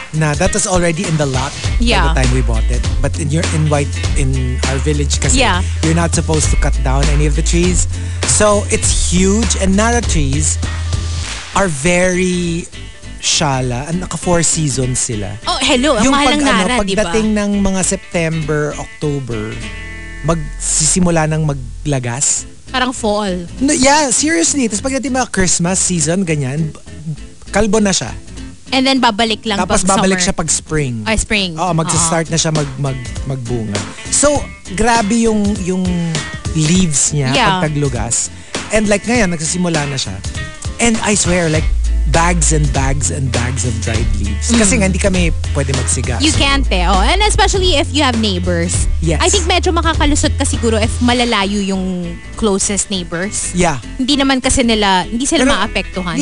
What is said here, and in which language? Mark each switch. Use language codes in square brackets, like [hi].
[en] Na that was already in the lot by the time we bought it. But in our village kasi you're not supposed to cut down any of the trees. So it's huge and Nara trees are very shala and naka-four seasons sila. [tl] Oh, hello. Yung mahal pag, ng Nara, ano, pagdating ng mga September, October, magsisimula ng maglagas. Parang fall. [en] No, yeah, seriously. [tl] Tapos pagdating mga Christmas season, ganyan, kalbo na siya. And then babalik lang tapos pag babalik [en] summer. [tl] Siya pag spring. [en] Oh, spring. [tl] Oo, magsa-start na siya magbunga. So, grabe yung leaves niya pag taglugas. And like ngayon, nagsisimula na siya. [en] And I swear, like, bags and bags and bags of dried leaves. [tl] Mm. Kasi hindi kami pwede magsiga. [en] You can't eh. Oh. And especially if you have neighbors. Yes. [tl] I think medyo makakalusot ka siguro if malalayo yung closest neighbors. [en] Yeah. [tl] Hindi naman kasi nila, hindi sila maapektuhan.